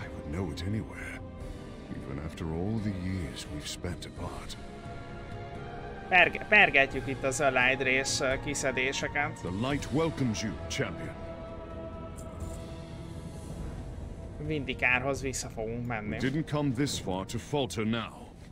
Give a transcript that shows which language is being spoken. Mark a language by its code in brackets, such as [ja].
[en] Know it anywhere, even after all the years we've spent apart. [hu] Pergetjük itt az Allied rész kiszedéseket. [en] The light welcomes you, champion. [hu] Vindikárhoz vissza fogunk menni. [en] We didn't come this far to falter now.